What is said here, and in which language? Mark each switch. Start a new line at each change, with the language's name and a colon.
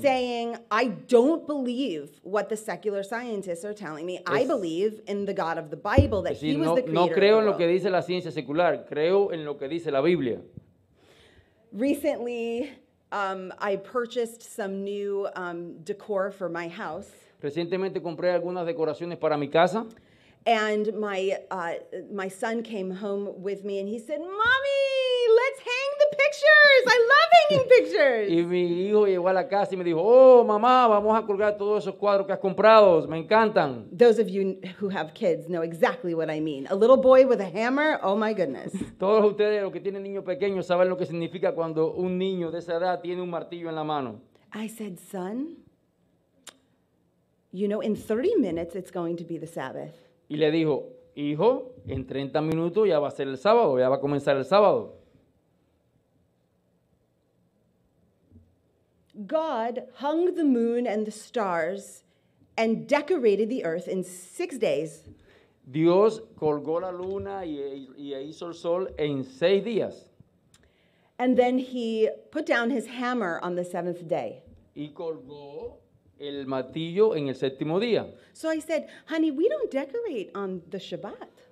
English: Saying, I don't believe what the secular scientists are telling me. I believe in the God of the Bible, that
Spanish: decir,
English: he was
Spanish: no,
English: the creator.
Spanish: No creo en lo que dice la ciencia secular. Creo en lo que dice la Biblia.
English: Recently, I purchased some new decor for my house.
Spanish: Recientemente compré algunas decoraciones para mi casa.
English: And my my son came home with me and he said, "Mommy, let's hang the pictures. I love hanging pictures."
Spanish: Y mi hijo llegó a la casa y me dijo, "Oh, mamá, vamos a colgar todos esos cuadros que has comprado. Me encantan."
English: Those of you who have kids know exactly what I mean. A little boy with a hammer. Oh my goodness.
Spanish: Todos ustedes los que tienen niños pequeños saben lo que significa cuando un niño de esa edad tiene un martillo en la mano.
English: I said, "Son, you know, in 30 minutes it's going to be the Sabbath."
Spanish: Y le dijo, "Hijo, en 30 minutos ya va a ser el sábado, ya va a comenzar el sábado."
English: God hung the moon and the stars and decorated the earth in 6 days.
Spanish: Dios colgó la luna y hizo el sol en 6 días.
English: And then he put down his hammer on the seventh day.
Spanish: Y colgó el martillo en el séptimo día.
English: So I said, "Honey, we don't decorate on the Shabbat."